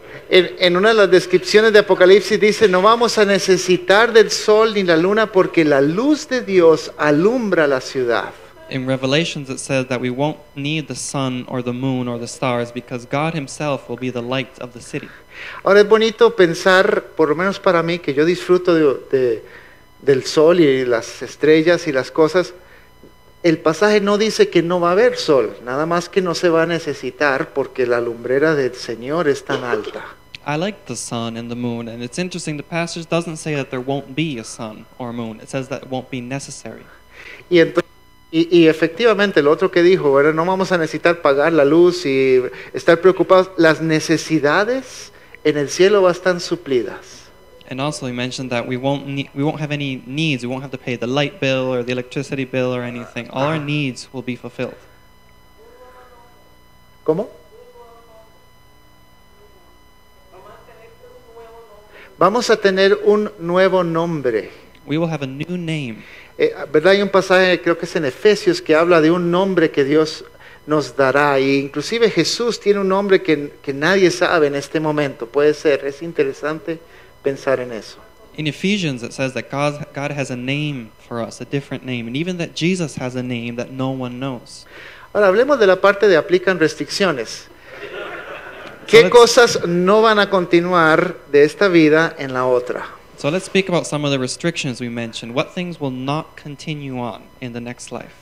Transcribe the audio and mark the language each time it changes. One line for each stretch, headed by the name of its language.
Spanish: En una de las descripciones de Apocalipsis dice, no vamos a necesitar del sol ni la luna porque la luz de Dios alumbra la ciudad.
English: In Revelations it says that we won't need the sun or the moon or the stars because God himself will be the light of the city.
Spanish: Ahora es bonito pensar, por lo menos para mí, que yo disfruto del sol y las estrellas y las cosas. El pasaje no dice que no va a haber sol, nada más que no se va a necesitar porque la lumbrera del Señor es tan alta.
English: I like the sun and the moon, and it's interesting, the passage doesn't say that there won't be a sun or moon. It says that it won't be necessary.
Spanish: Y entonces, y efectivamente, lo otro que dijo, ¿verdad? No vamos a necesitar pagar la luz y estar preocupados. Las necesidades en el cielo van a estar suplidas.
English: And also he mentioned that we won't have any needs. We won't have to pay the light bill or the electricity bill or anything. All our needs will be fulfilled.
Spanish: ¿Cómo? Vamos a tener un nuevo nombre.
English: We will have a new name.
Spanish: ¿Verdad? Hay un pasaje, creo que es en Efesios, que habla de un nombre que Dios nos dará. E inclusive Jesús tiene un nombre que nadie sabe en este momento. Puede ser, es interesante pensar en eso.
English: In Ephesians it says that God has a name for us, a different name. And even that Jesus has a name that no one knows.
Spanish: Ahora hablemos de la parte de aplican restricciones. ¿Qué cosas no van a continuar de esta vida en la otra?
English: So let's speak about some of the restrictions we mentioned. What things will not continue on in the next life?